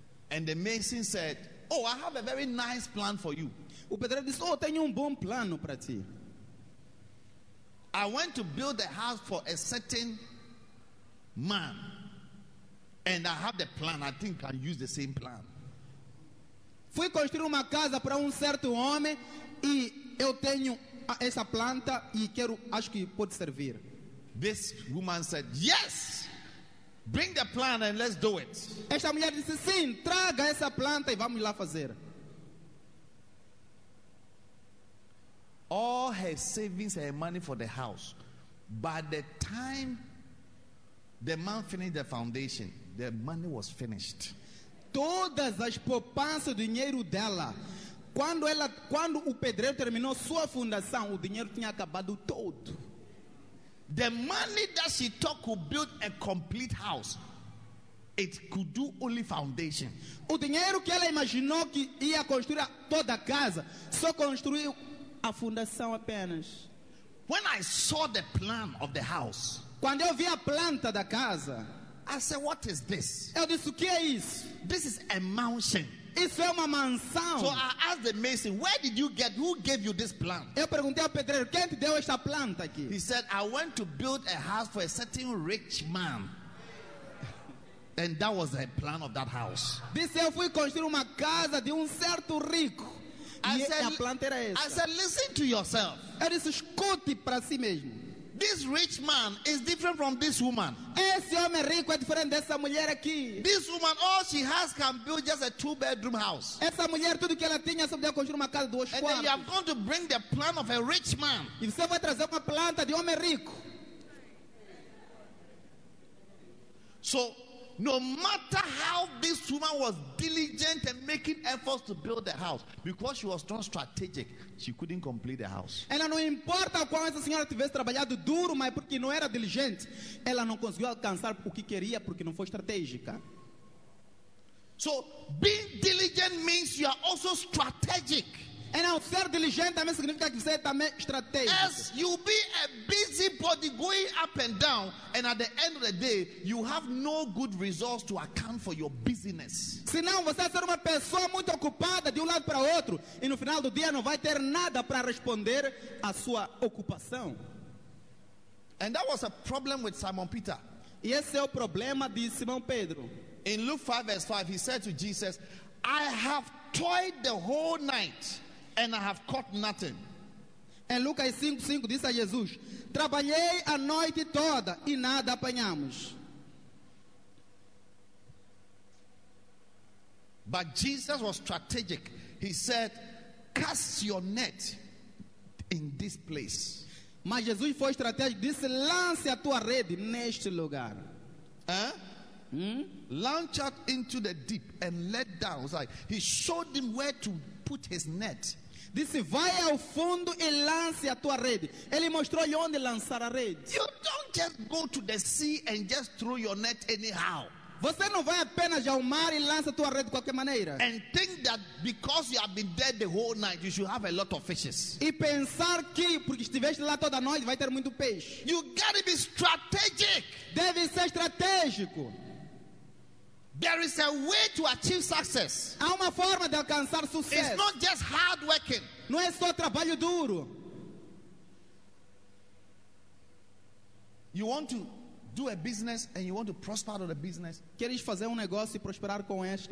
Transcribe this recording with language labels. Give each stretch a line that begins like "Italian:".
English: And the mason said, "Oh, I have a very nice plan for you."
Portuguese: O pedreiro disse, "Oh, tenho bom plano para ti."
English: I went to build a house for a certain man, and I have the plan. I think I can use the same plan.
Portuguese: Fui construir uma casa para certo homem, e eu tenho essa planta e quero, acho que pode servir.
English: This woman said, "Yes. Bring the plan and let's do it."
Portuguese: Esta mulher disse sim, traga essa planta e vamos lá fazer.
English: All her savings and money for the house. By the time the man finished the foundation, the money was finished.
Portuguese: Todas as poupanças, o dinheiro dela, quando o pedreiro terminou sua fundação, o dinheiro tinha acabado todo.
English: The money that she took to build a complete house, it could do only foundation.
Portuguese: O dinheiro que ela imaginou que ia construir toda a casa, só construiu a fundação apenas.
English: When I saw the plan of the house,
Portuguese: quando eu vi a planta da casa,
English: I said, "What is this?"
Portuguese: Eu disse, o que é isso?
English: This is a mansion.
Portuguese: Isso é uma mansão.
English: So I asked the mason, "Where did you get? Who gave you this plan?"
Portuguese: Eu perguntei ao pedreiro, quem te deu esta planta aqui?
English: He said, "I went to build a house for a certain rich man, and that was the plan of that house."
Portuguese: Disse, eu fui construir uma casa de certo rico.
English: I said, "Listen to yourself."
Portuguese: Eu disse, escute para si mesmo.
English: This rich man is different from this woman.
Portuguese: Esse homem rico é diferente dessa mulher aqui.
English: This woman, all she has can build just a 2-bedroom house.
Portuguese: Essa mulher tudo que ela tinha só podia construir uma casa de 2 quartos.
English: And then you are going to bring the plan of a rich man.
Portuguese: E você vai trazer uma planta de homem rico.
English: So, no matter how this woman was diligent and making efforts to build the house, because she was not strategic, she couldn't complete the house.
Portuguese: Ela não importa qual essa senhora tivesse trabalhado duro, mas porque não era diligente, ela não conseguiu alcançar o que queria porque não foi estratégica.
English: So, being diligent means you are also strategic.
Portuguese: E não ser diligente também significa que você é também estratégico.
English: As you be a busybody going up and down, and at the end of the day, you have no good results to account for your busyness.
Portuguese: Se não, você é ser uma pessoa muito ocupada de lado para outro, e no final do dia não vai ter nada para responder à sua ocupação.
English: And that was a problem with Simon Peter.
Portuguese: E esse é o problema de Simão Pedro.
English: In Luke 5, verse 5, he said to Jesus, "I have toiled the whole night, and I have caught nothing."
Portuguese: Em Lucas 5:5 diz a Jesus, trabalhei a noite toda e nada apanhamos.
English: But Jesus was strategic. He said, "Cast your net in this place."
Portuguese: Mas Jesus foi estratégico, disse, lance a tua rede neste lugar.
English: Launch out into the deep and let down. Like, he showed him where to put his net.
Portuguese: Disse, vai ao fundo e lance a tua rede. Ele mostrou-lhe onde lançar a rede.
English: You don't just go to the sea and just throw your net anyhow.
Portuguese: Você não vai apenas ao mar e lança a tua rede de qualquer maneira.
English: And think that because you have been dead the whole night, you should have a lot of fishes.
Portuguese: E pensar que porque estiveste lá toda a noite, vai ter muito peixe.
English: You gotta be strategic.
Portuguese: Deve ser estratégico.
English: There is a way to achieve success.
Portuguese: Há uma forma de alcançar sucesso.
English: It's not just hard working.
Portuguese: Não é só trabalho duro.
English: You want to do a business and you want to prosper out of the business.
Portuguese: Queres fazer negócio e prosperar com este negócio?